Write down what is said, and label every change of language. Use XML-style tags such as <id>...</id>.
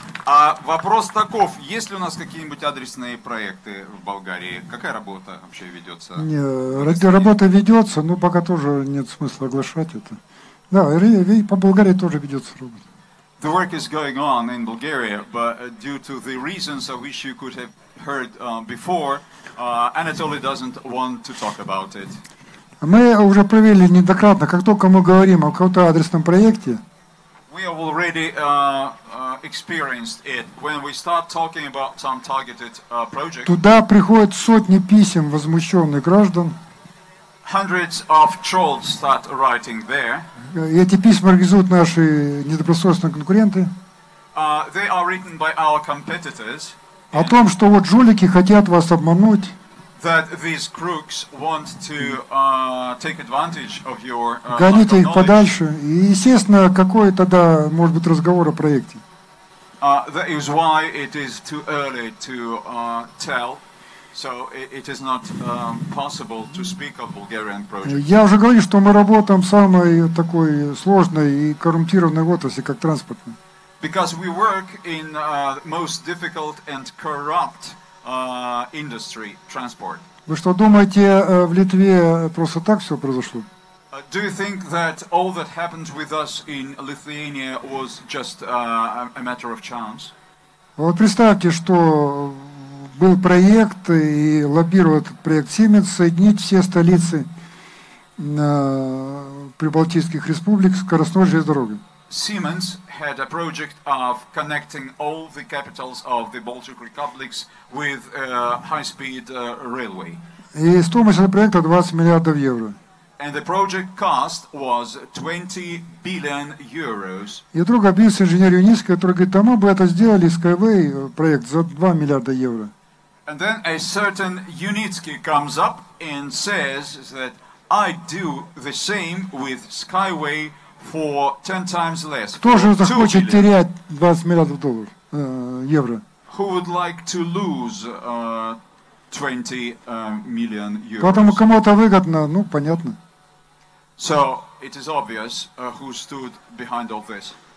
<ru>А вопрос таков, есть ли у нас какие-нибудь адресные проекты в Болгарии? Какая работа вообще ведется? Работа ведется, но пока тоже нет смысла оглашать это. Да, по Болгарии тоже ведется работа.</ru> <en>The work is going on in Bulgaria, but due to the reasons of which you could have heard before, Anatoly doesn't want to talk about it.</en> <ru>Мы уже провели неоднократно, как только мы говорим о каком-то адресном проекте,</ru> <en>we have already experienced it when we start talking about some targeted project.</en> <ru>Туда приходят сотни писем возмущенных граждан.</ru> <en>Hundreds of trolls start writing there.</en> <ru>Эти письма организуют наши недобросовестные конкуренты.</ru> <en>They are written by our competitors.</en> <ru>О том, что вот жулики хотят вас обмануть.</ru> <en>That these crooks want to take advantage of your</en> <ru>Гоните их подальше. И, естественно, какой тогда может быть разговор о проекте?</ru> <en>That is why it is too early to tell. So it is not possible to speak of Bulgarian project.</en> <ru>Я уже говорил, что мы работаем в самой такой сложной и коррумпированной отрасли, как транспортной.</ru> <en>Because we work in most difficult and corrupt industry, transport.</en> <ru>Вы что думаете, в Литве просто так все произошло?</ru> <en>Do you think that all that happened with us in Lithuania was just a matter of chance?</en> <ru>Вот представьте, что был проект, и лоббировал этот проект Siemens, соединить все столицы прибалтийских республик с скоростной железной дорогой.</ru> <en>Siemens had a project of connecting all the capitals of the Baltic republics with a high-speed railway.</en> <ru>И стоимость этого проекта 20 миллиардов евро.</ru> <en>And the project cost was 20 billion euros.</en> <ru>И вдруг объявился инженер Юниска, который говорит, а мы бы это сделали, Skyway проект, за 2 миллиарда евро.</ru> <en>And then a certain Unitsky comes up and says that I do the same with Skyway for 10 times less.</en> <ru>Кто же захочет терять 20 миллиардов долларов, евро?</ru> <en>Who would like to lose 20 million euros?</en> <ru>Потому кому-то выгодно, ну, понятно.</ru> <en>So it is obvious who stood behind all this.</en>